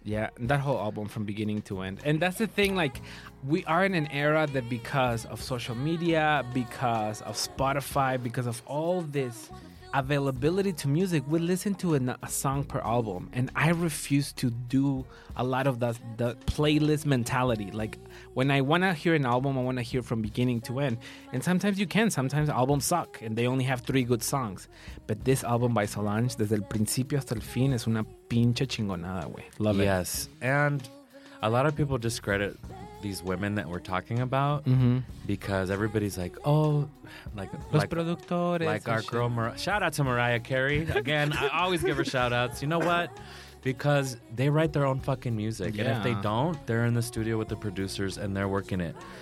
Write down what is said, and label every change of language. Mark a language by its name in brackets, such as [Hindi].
[English] Yeah, that whole album from beginning to end. And that's the thing, like, we are in an era that because of social media, because of Spotify, because of all this availability to music, we listen to a song per album. And I refuse to do a lot of the playlist mentality. Like, when I want to hear an album, I want to hear from beginning to end. And sometimes you can. Sometimes albums suck and they only have three good songs. [Spanish] But this album by Solange, desde el principio hasta el fin, es una pinche chingonada, güey. [English] Love it. Yes. And a lot of people discredit these women that we're talking about, mm-hmm, because everybody's like, oh, like [Spanish] los [English] like, [Spanish] productores, [English] like our shit. Shout out to Mariah Carey again. I always give her shout outs. You know what? Because they write their own fucking music, yeah. And if they don't, they're in the studio with the producers and they're working it.